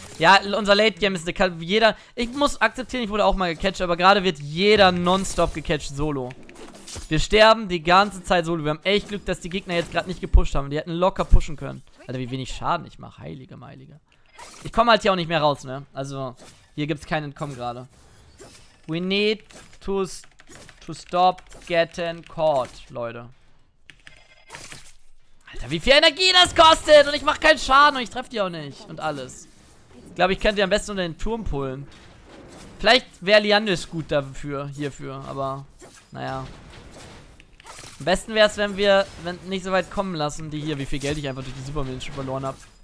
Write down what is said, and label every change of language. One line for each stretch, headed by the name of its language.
German: Ja, unser Late Game ist... Jeder... Ich muss akzeptieren, ich wurde auch mal gecatcht. Aber gerade wird jeder nonstop gecatcht solo. Wir sterben die ganze Zeit solo. Wir haben echt Glück, dass die Gegner jetzt gerade nicht gepusht haben. Die hätten locker pushen können. Alter, wie wenig Schaden ich mache. Heilige Meilige. Ich komme halt hier auch nicht mehr raus, ne? Also, hier gibt es kein Entkommen gerade.
English: We need to stop getting caught, Leute.
German: Alter, wie viel Energie das kostet. Und ich mache keinen Schaden und ich treffe die auch nicht. Und alles. Ich glaube, ich könnte die am besten unter den Turm pullen. Vielleicht wäre Liandis gut dafür, hierfür. Aber, naja. Am besten wäre es, wenn wir nicht so weit kommen lassen, die hier, wie viel Geld ich einfach durch die Supermillion schon verloren habe.